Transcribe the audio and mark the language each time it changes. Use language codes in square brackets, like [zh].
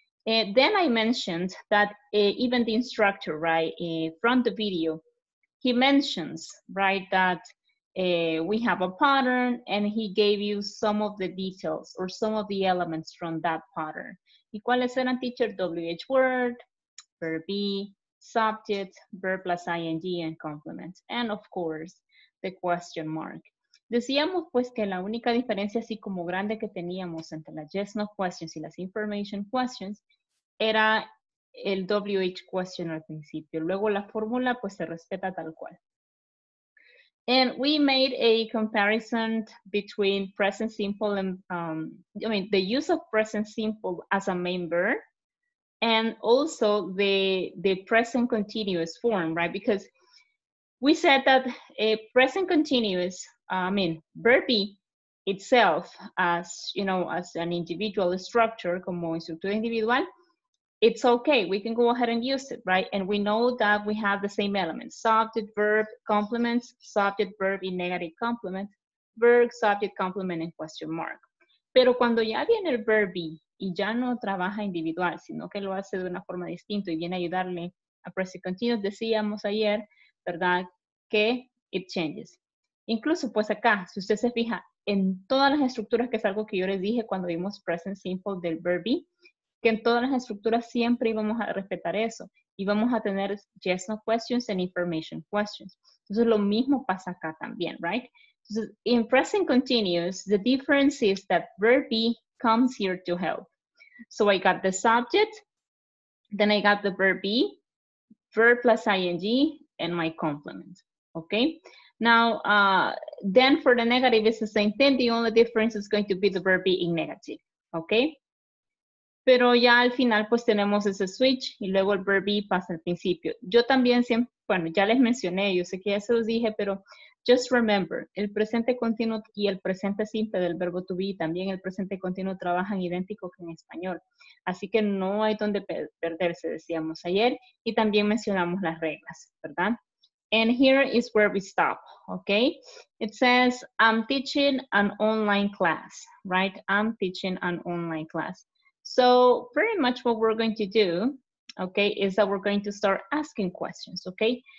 [en] And then I mentioned that even the instructor, right, from the video, he mentions, right, that we have a pattern, and he gave you some of the details or some of the elements from that pattern. [es] ¿Y cuáles eran, teacher? [en] WH word, verb be, subject, verb plus ing, and complement. And of course, the question mark. [es] Decíamos pues que la única diferencia así como grande que teníamos entre las yes, no questions y las information questions era el WH question al principio. Luego la fórmula pues se respeta tal cual. [en] And we made a comparison between present simple and, the use of present simple as a main verb, and also the present continuous form, right? Because we said that a present continuous, verb be itself as, you know, as an individual structure, [es] como estructura individual, [en] it's okay, we can go ahead and use it, right? And we know that we have the same elements, subject, verb, complements, subject, verb, in negative complement, verb, subject, complement, and question mark. [es] Pero cuando ya viene el verb be y ya no trabaja individual, sino que lo hace de una forma distinta y viene a ayudarle a present continuous, decíamos ayer, ¿verdad? Que [en] it changes. [es] Incluso, pues acá, si usted se fija en todas las estructuras, que es algo que yo les dije cuando vimos present simple del verb be, que en todas las estructuras siempre íbamos a respetar eso. Íbamos a tener yes, no questions and information questions. Entonces, lo mismo pasa acá también, right? [en] Entonces, in present continuous, the difference is that verb be comes here to help. So, I got the subject, then I got the verb be, verb plus ing, and my complement, okay? Now, then for the negative, it's the same thing. The only difference is going to be the verb be in negative, okay? [es] Pero ya al final, pues, tenemos ese switch y luego el verb be pasa al principio. Yo también siempre, bueno, ya les mencioné, yo sé que ya se los dije, pero [en] just remember, [es] el presente continuo y el presente simple del verbo to be, también el presente continuo trabajan idéntico que en español. Así que no hay donde perderse, decíamos ayer, y también mencionamos las reglas, ¿verdad? [en] And here is where we stop, okay? It says, I'm teaching an online class, right? I'm teaching an online class. So pretty much what we're going to do, okay, is that we're going to start asking questions, okay?